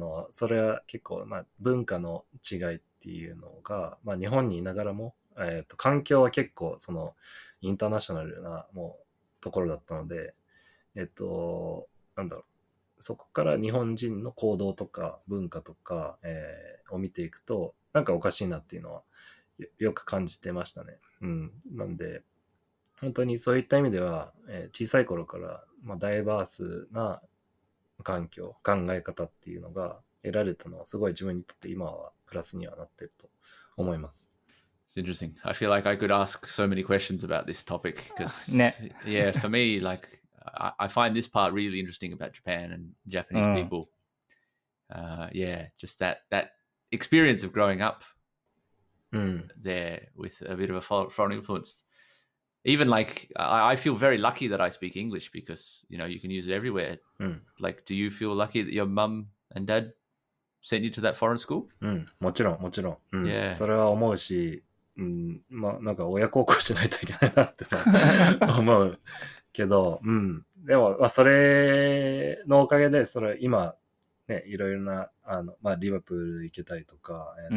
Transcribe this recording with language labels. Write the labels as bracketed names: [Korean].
[Japanese] それは結構、まあ、文化の違いっていうのが、まあ、日本にいながらも、環境は結構、その、インターナショナルな、もう、ところだったので、なんだろう、そこから日本人の行動とか文化とか、を見ていくと、なんかおかしいなっていうのは よく感じてましたね。うん。なんで、本当にそういった意味では、小さい頃から、まあ、ダイバースな環境、考え方っていうのが得られたのは、すごい自分にとって今はプラスにはなってると思います。 [English] It's interesting. I feel like I could ask so many questions about this topic because, yeah, for me, like, I find this part really interesting about Japan and Japanese people. Yeah, just that experience of growing up there with a bit of a foreign influence. Even like, I feel very lucky that I speak English because, you know, you can use it everywhere. Like, do you feel lucky that your mum and dad sent you to that foreign school? [Japanese] もちろん。Yeah. それは思うし、まあ、なんか親孝行しないといけないなって思うけど、でも、まあ、それのおかげで、それ今、ね、いろいろな、あの、まあ、リバプール行けたりとか、